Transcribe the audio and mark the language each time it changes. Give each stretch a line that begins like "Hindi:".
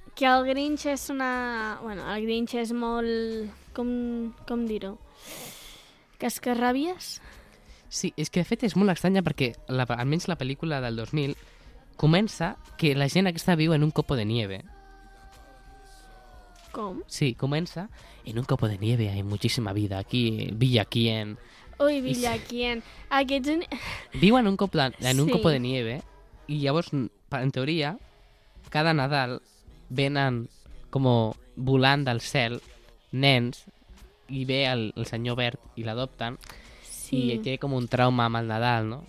Catalan: Que el Grinch és una... Bueno, el Grinch és molt... Com dir-ho? Cascarràbies? Sí, és que de fet és molt estranya perquè almenys la pel·lícula del 2000 comença que la gent aquesta viu en un
Spanish: copo de nieve.
Catalan: Com? Sí, comença en un
Spanish: copo de nieve, hay muchísima vida aquí, Villaquien.
Catalan: Ui, Villaquien. Aquests... Viuen en un
Spanish: copo de nieve
Catalan: i llavors, en teoria, cada Nadal venen com volant del cel nens i ve el senyor verd i l'adopten sí. I té com un trauma amb el Nadal, no?